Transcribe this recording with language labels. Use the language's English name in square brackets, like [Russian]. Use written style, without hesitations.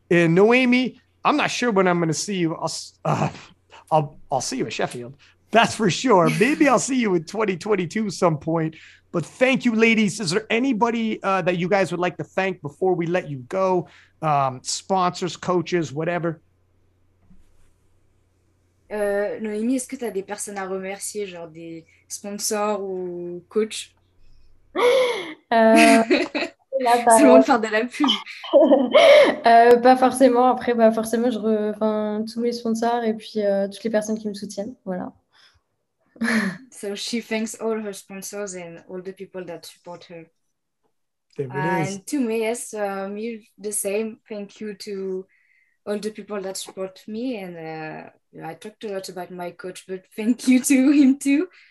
[English] And Noemi, I'm not sure when I'm going to see you. I'll see you at Sheffield. That's for sure. Maybe I'll see you in 2022 some point. But thank you, ladies. Is there anybody that you guys would like to thank before we let you go? Sponsors, coaches, whatever. [French] Noémie, est-ce que tu as des personnes à remercier, genre des sponsors ou coachs? C'est La bon de faire de la pub. parole. pas forcément. Après, bah forcément, je enfin, tous mes sponsors et puis toutes les personnes qui me soutiennent. Voilà. [English] So she thanks all her sponsors and all the people that support her. There it is. And to me, yes, me the same. Thank you to all the people that support me. And I talked a lot about my coach, but thank you to him too.